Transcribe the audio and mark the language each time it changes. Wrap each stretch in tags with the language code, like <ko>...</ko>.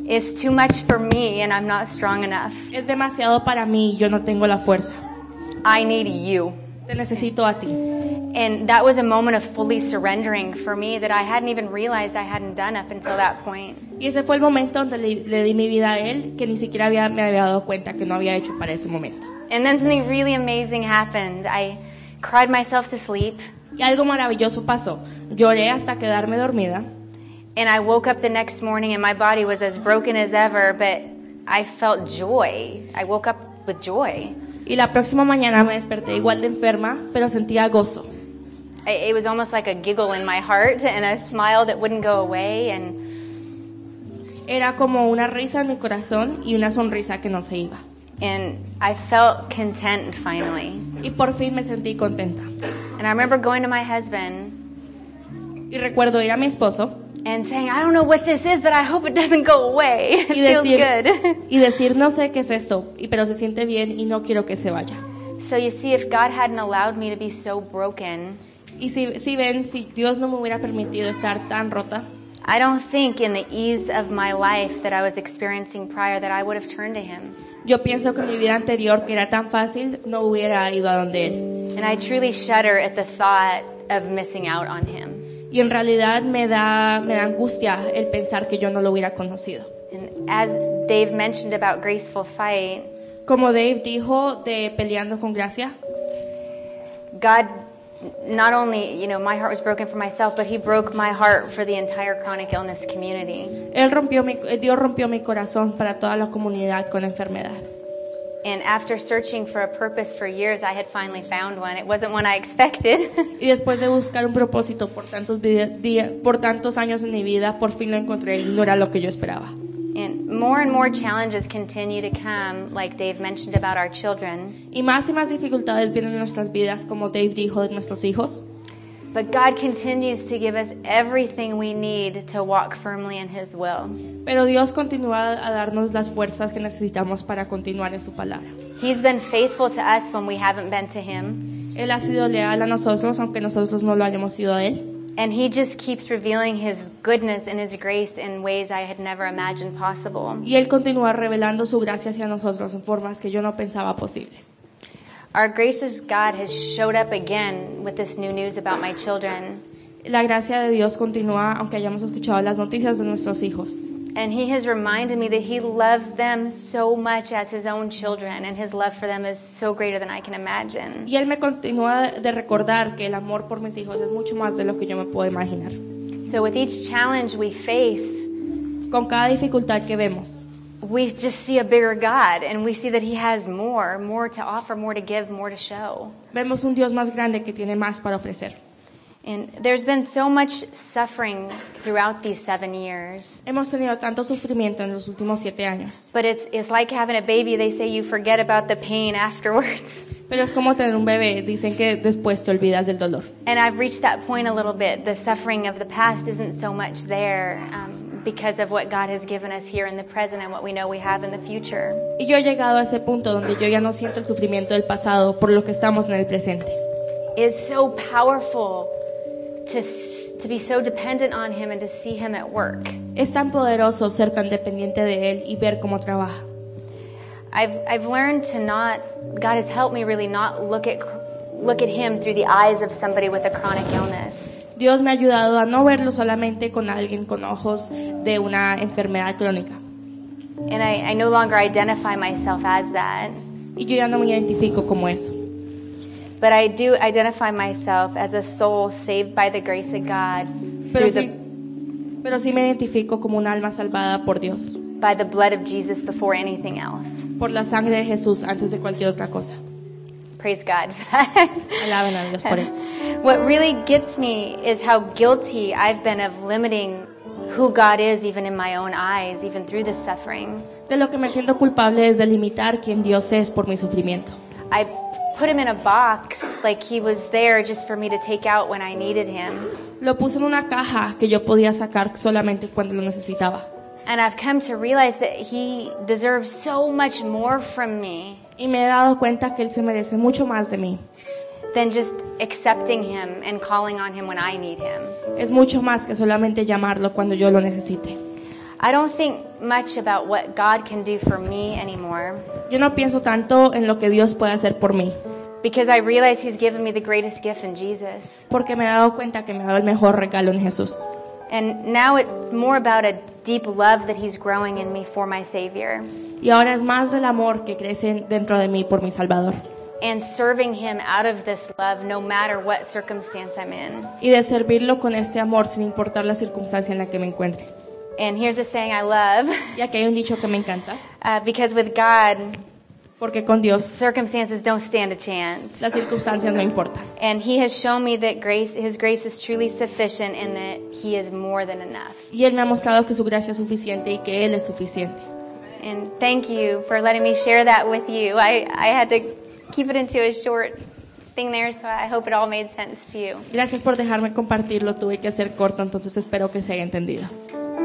<en>It's too much for me and I'm not strong enough.</en> <es>Es demasiado para mí, yo no tengo la fuerza.</es> <en>I need you.</en> <es>Te necesito a ti.</es> <en>And that was a moment of fully surrendering for me that I hadn't even realized I hadn't done up until that point.</en> <es>Y ese fue el momento donde le di mi vida a él, que ni siquiera me había dado cuenta que no había hecho para ese momento.</es> <en>And then something really amazing happened. I cried myself to sleep.</en> <es>Y algo maravilloso pasó. Lloré hasta quedarme dormida.</es> <en>And I woke up the next morning and my body was as broken as ever, but I felt joy. I woke up with joy.</en> <es>Y la próxima mañana me desperté igual de enferma, pero sentía gozo.</es> <en>It was almost like a giggle in my heart and a smile that wouldn't go away. And</en> <es>era como una risa en mi corazón y una sonrisa que no se iba.</es> <en>And I felt content finally.</en> <es>Y por fin me sentí contenta.</es> <en>And I remember going to my husband.</en> <es>Y recuerdo ir a mi esposo.</es> <en>And saying, I don't know what this is, but I hope it doesn't go away. It</en> <es>y decir,</es> <en>feels good.</en> <es>Y decir, no sé qué es esto, pero se siente bien y no quiero que se vaya.</es> <en>So you see, if God hadn't allowed me to be so broken.</en> <es>Y si ven, si Dios no me hubiera permitido estar tan rota.</es> <en>I don't think in the ease of my life that I was experiencing prior that I would have turned to Him.</en> <es>Yo pienso que mi vida anterior, que era tan fácil, no hubiera ido a donde Él.</es> <en>And I truly shudder at the thought of missing out on Him.</en> <es>Y en realidad me da angustia el pensar que yo no lo hubiera conocido.</es> <en>And as Dave mentioned about graceful fight,</en> <es>como Dave dijo de peleando con gracia,</es> <en>God not only, you know, my heart was broken for myself, but He broke my heart for the entire chronic illness community.</en> <es>Dios rompió mi corazón para toda la comunidad con enfermedad.</es> <en>And after searching for a purpose for years, I had finally found one. It wasn't one I expected.</en> <es>Y después de buscar un propósito por tantos años en mi vida, por fin lo encontré. No era lo que yo esperaba.</es> <en>And more and more challenges continue to come, like Dave mentioned about our children.</en> <es>Y más y más dificultades vienen en nuestras vidas, como Dave dijo, de nuestros hijos.</es> <en>But God continues to give us everything we need to walk firmly in His will.</en> <es>Pero Dios continúa a darnos las fuerzas que necesitamos para continuar en su palabra.</es> <en>He's been faithful to us when we haven't been to Him.</en> <es>Él ha sido leal a nosotros, aunque nosotros no lo hayamos sido a Él.</es> <en>And He just keeps revealing His goodness and His grace in ways I had never imagined possible.</en> <es>Y Él continúa revelando su gracia hacia nosotros en formas que yo no pensaba posible.</es> <en>Our gracious God has showed up again with this new news about my children.</en> <es>La gracia de Dios continúa aunque hayamos escuchado las noticias de nuestros hijos.</es> <en>And He has reminded me that He loves them so much as His own children, and His love for them is so greater than I can imagine.</en> <es>Y Él me continúa de recordar que el amor por mis hijos es mucho más de lo que yo me puedo imaginar.</es> <en>So with each challenge we face,</en> <es>con cada dificultad que vemos,</es> <en>we just see a bigger God, and we see that He has more, more to offer, more to give, more to show.</en> <es>Vemos un Dios más grande que tiene más para ofrecer.</es> <en>And there's been so much suffering throughout these 7 years.</en> <es>Hemos tenido tanto sufrimiento en los últimos 7 años.</es> <en>But it's like having a baby. They say you forget about the pain afterwards.</en> <es>Pero es como tener un bebé. Dicen que después te olvidas del dolor.</es> <en>And I've reached that point a little bit. The suffering of the past isn't so much there, because of what God has given us here in the present and what we know we have in the future.</en> <es>Y yo he llegado a ese punto donde yo ya no siento el sufrimiento del pasado por lo que estamos en el presente.</es> <en>It's so powerful to be so dependent on Him and to see Him at work.</en> <es>Es tan poderoso ser tan dependiente de Él y ver cómo trabaja.</es> <en>I've learned to not, God has helped me really not look at Him through the eyes of somebody with a chronic illness.</en> <es>Dios me ha ayudado a no verlo solamente con alguien con ojos de una enfermedad crónica.</es> <en>And I no longer identify myself as that.</en> <es>Y yo ya no me identifico como eso.</es> <en>But I do identify myself as a soul saved by the grace of God.</en> <es>Pero sí me identifico como un alma salvada por Dios.</es> <en>By the blood of Jesus before anything else.</en> <es>Por la sangre de Jesús antes de cualquier otra cosa.</es> <en>Praise God for that.</en> <es>Alaben a Dios por eso.</es> <en>What really gets me is how guilty I've been of limiting who God is, even in my own eyes, even through this suffering.</en> <es>De lo que me siento culpable es de limitar quién Dios es por mi sufrimiento.</es> <en>I put Him in a box, like He was there just for me to take out when I needed Him.</en> <es>Lo puse en una caja que yo podía sacar solamente cuando lo necesitaba.</es> <en>And I've come to realize that He deserves so much more from me.</en> <es>Y me he dado cuenta que Él se merece mucho más de mí.</es> <en>Than just accepting Him and calling on Him when I need Him.</en> <es>Es mucho más que solamente llamarlo cuando yo lo necesite.</es> <en>I don't think much about what God can do for me anymore.</en> <es>Yo no pienso tanto en lo que Dios puede hacer por mí.</es> <en>Because I realize He's given me the greatest gift in Jesus.</en> <es>Porque me he dado cuenta que me ha dado el mejor regalo en Jesús.</es> <en>And now it's more about a deep love that He's growing in me for my Savior.</en> <es>Y ahora es más del amor que crece dentro de mí por mi Salvador.</es> <en>And serving Him out of this love, no matter what circumstance I'm in.</en> <es>Y de servirlo con este amor sin importar la circunstancia en la que me encuentre.</es> <en>And here's a saying I love.</en> <es>Y aquí hay un dicho que me encanta.</es> <en>Because with God,</en> <es>porque con Dios,</es> <en>circumstances don't stand a chance.</en> <es>Las circunstancias no importan.</es> <en>And He has shown me that grace, His grace is truly sufficient, and that He is more than enough.</en> <es>Y Él me ha mostrado que su gracia es suficiente y que Él es suficiente.</es> <en>And thank you for letting me share that with you. I had to keep it into a short thing there, so I hope it all made sense to you.</en> <es>Gracias por dejarme compartirlo. Tuve que hacer corto, entonces espero que se haya entendido.</es>